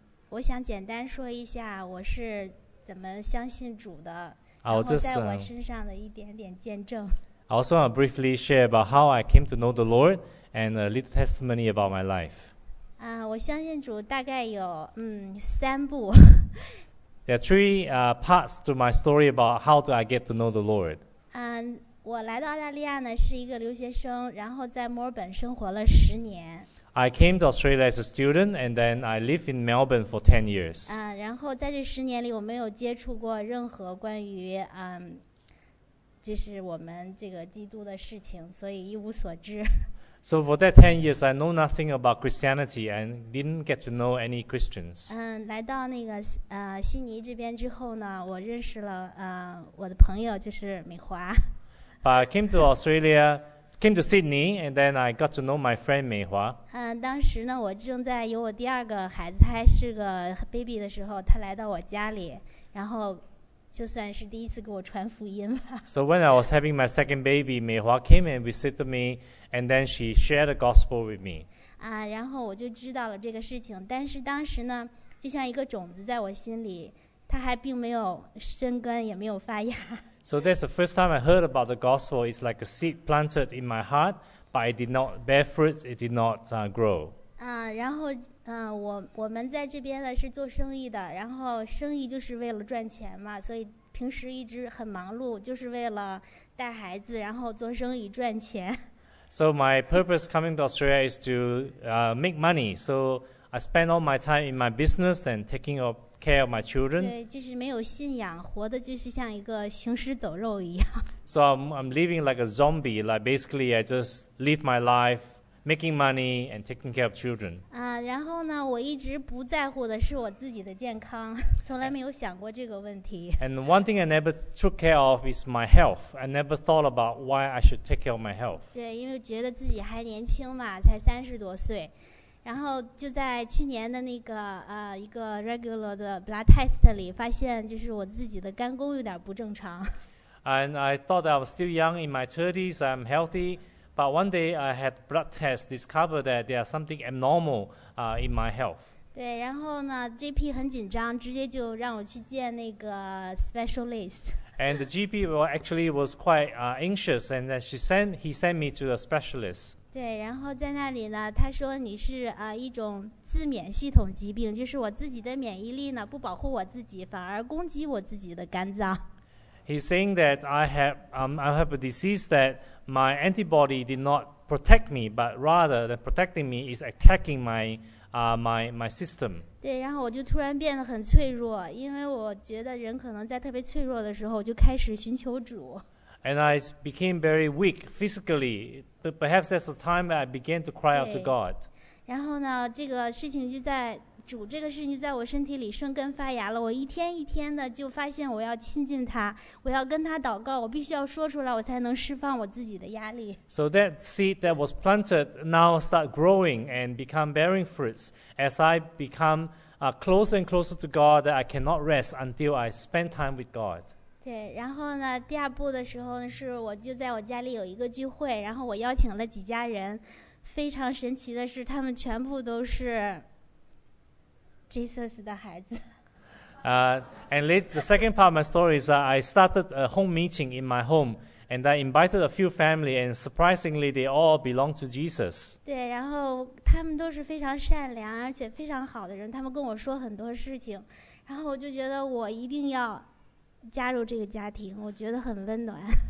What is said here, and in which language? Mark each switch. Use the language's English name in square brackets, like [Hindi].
[Chinese] 我想简单说一下我是怎么相信主的，然后在我身上的一点点见证。 [English] I also want to briefly share about how I came to know the Lord and a little testimony about my life. [Chinese] 我相信主大概有三步。 [English] There are three parts to my story about how do I get to know the Lord. [Chinese] 我来到澳大利亚呢是一个留学生，然后在墨尔本生活了十年。 [English] I came to Australia as a student, and then I lived in Melbourne for 10 years. [Chinese] 然后在这十年里，我没有接触过任何关于就是我们这个基督的事情，所以一无所知。 [English] So for that 10 years, I know nothing about Christianity and didn't get to know any Christians. [Chinese] 来到那个悉尼这边之后呢，我认识了我的朋友，就是美华。 [English] But I came to Australia, came to Sydney, and then I got to know my friend 美华。 [Chinese] 当时呢，我正在有我第二个孩子，还是个 baby 的时候，他来到我家里，然后就算是第一次给我传福音吧。 [English] So when I was having my second baby, 美华 came and visited me. And then she shared the gospel with me. [Chinese] 然后我就知道了这个事情。但是当时呢，就像一个种子在我心里，它还并没有生根，也没有发芽。 [English] So that's the first time I heard about the gospel. It's like a seed planted in my heart, but it did not bear fruit. It did not grow. [Chinese] 然后我们在这边呢是做生意的，然后生意就是为了赚钱嘛，所以平时一直很忙碌，就是为了带孩子，然后做生意赚钱。 [English] So my purpose coming to Australia is to make money. So I spend all my time in my business and taking care of my children. [Chinese] 对，就是没有信仰，活的就是像一个行尸走肉一样。 [English] So I'm living like a zombie. Like basically, I just live my life, making money and taking care of children. [Chinese] 然后呢，我一直不在乎的是我自己的健康，从来没有想过这个问题。 [English] And one thing I never took care of is my health. I never thought about why I should take care of my health. [Chinese] 对，因为觉得自己还年轻嘛，才30多岁。然后就在去年的那个一个 regular 的 blood test 里，发现就是我自己的肝功有点不正常。 [English] And I thought I was still young in my 30s. I'm healthy. But one day I had blood test discovered that there is something abnormal in my health. [Chinese] 对，然后呢 ，GP 很紧张，直接就让我去见那个 specialist. [English] And the GP actually was quite anxious, and then he sent me to a specialist. [Chinese] 对，然后在那里呢，他说你是一种自免系统疾病，就是我自己的免疫力呢不保护我自己，反而攻击我自己的肝脏。 [English] He's saying that I have a disease that my antibody did not protect me, but rather than protecting me is attacking my system. [Chinese] 对，然后我就突然变得很脆弱，因为我觉得人可能在特别脆弱的时候就开始寻求主。 [English] And I became very weak physically, but perhaps that's the time that I began to cry out to God. [Chinese] 然后呢，这个事情就在主这个事情在我身体里生根发芽了，我一天一天的就发现我要亲近他，我要跟他祷告，我必须要说出来，我才能释放我自己的压力。 [English] So that seed that was planted now start growing and become bearing fruits as I become closer and closer to God. That I cannot rest until I spend time with God. [Chinese] 对，然后呢，第二步的时候呢，是我就在我家里有一个聚会，然后我邀请了几家人，非常神奇的是，他们全部都是Jesus 的孩子。 [English] The second part of my story is that I started a home meeting in my home, and I invited a few family, and surprisingly, they all belong to Jesus. [Chinese] 对，然后他们都是非常善良而且非常好的人，他们跟我说很多事情，然后我就觉得我一定要加入这个家庭，我觉得很温暖。